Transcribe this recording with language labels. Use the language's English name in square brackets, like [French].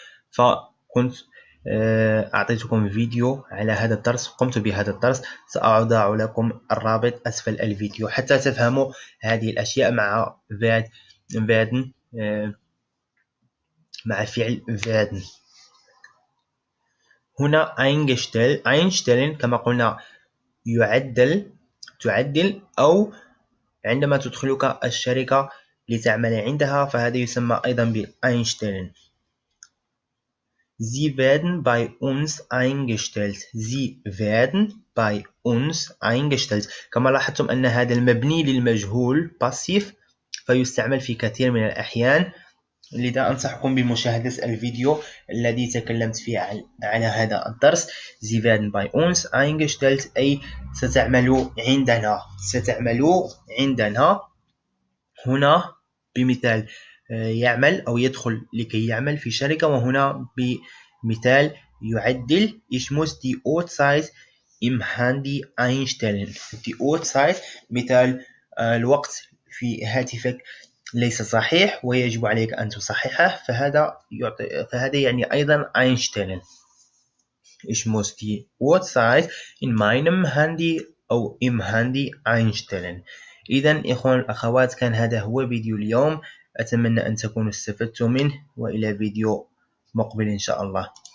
[Arabic] فكنت أعطيتكم فيديو على هذا الدرس، قمت بهذا الدرس، سأضع لكم الرابط أسفل الفيديو حتى تفهموا هذه الأشياء مع فادن، مع فعل فادن. هنا أينشتلن كما قلنا يعدل، تعدل، أو عندما تدخلك الشركة لتعمل عندها فهذا يسمى أيضا بأينشتلن. [German] Sie werden bei uns eingestellt. Sie werden bei uns eingestellt. [Arabic] كما لاحظتم أن هذا المبني للمجهول passive فيستعمل في كثير من الأحيان. لذا أنصحكم بمشاهدة الفيديو الذي تكلمت فيه على هذا الدرس. [German] Sie werden bei uns eingestellt. [Arabic] أي ستعمل عندنا. ستعمل عندنا. هنا بمثال يعمل أو يدخل لكي يعمل في شركة. وهنا بمثال يعدل. [German] Ich muss die Uhrzeit im Handy einstellen. Die Uhrzeit [Arabic] مثال الوقت في هاتفك ليس صحيح ويجب عليك أن تصححه. فهذا يعني أيضا einstellen. [German] Ich muss die Uhrzeit in meinem Handy [Arabic] أو [German] im Handy einstellen. [Arabic] إذن إخوان الأخوات كان هذا هو فيديو اليوم. أتمنى أن تكونوا استفدتم منه وإلى فيديو مقبل إن شاء الله.